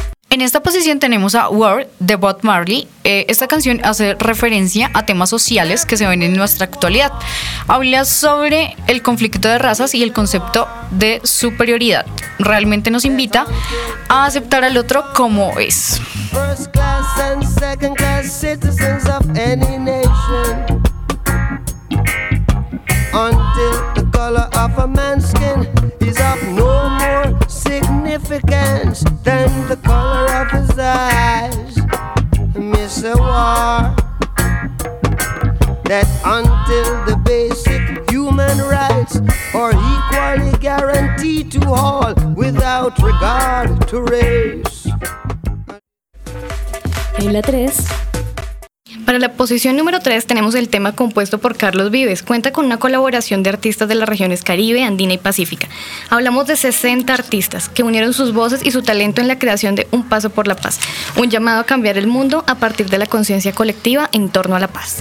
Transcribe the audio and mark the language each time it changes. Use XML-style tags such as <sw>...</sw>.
<es>En esta posición tenemos a World de Bob Marley. Esta canción hace referencia a temas sociales que se ven en nuestra actualidad. Habla sobre el conflicto de razas y el concepto de superioridad. Realmente nos invita a aceptar al otro como es.</es> <en>First class and second class citizens of any nation. Until the color of a man's skin is of no more significance than the color of his eyes. Mr. War, that until the basic human rights are equally guaranteed to all without regard to race.</en> <es>Y la tres. Para la posición número 3 tenemos el tema compuesto por Carlos Vives. Cuenta con una colaboración de artistas de las regiones Caribe, Andina y Pacífica. Hablamos de 60 artistas que unieron sus voces y su talento en la creación de Un Paso por la Paz, un llamado a cambiar el mundo a partir de la conciencia colectiva en torno a la paz.</es>